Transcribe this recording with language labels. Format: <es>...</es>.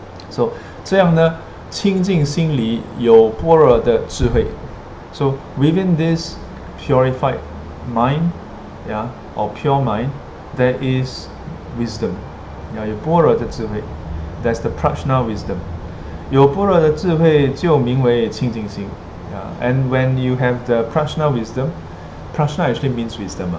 <zh>So 这样呢，清净心里有般若的智慧。</zh> <en>So within this purified mind, yeah, or pure mind. There is wisdom.</en> <zh>Yeah, 有般若的智慧。</zh> <en>That's the prajna wisdom.</en> <zh>有般若的智慧就名为清净心。</zh> <en>Yeah, and when you have the prajna wisdom, prajna actually means wisdom.</en>